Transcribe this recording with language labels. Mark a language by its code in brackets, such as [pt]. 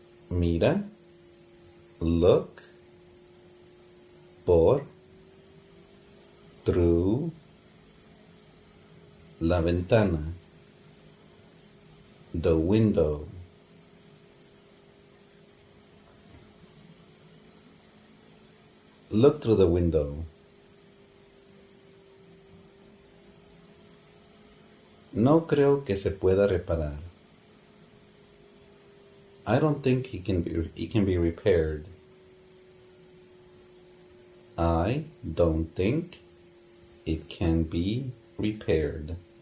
[es] Mira, [en] look, [es] por, [en] through, [es] la ventana, [en] the window. Look through the window. [es] No creo que se pueda reparar. [en] I don't think he can be repaired. I don't think it can be repaired.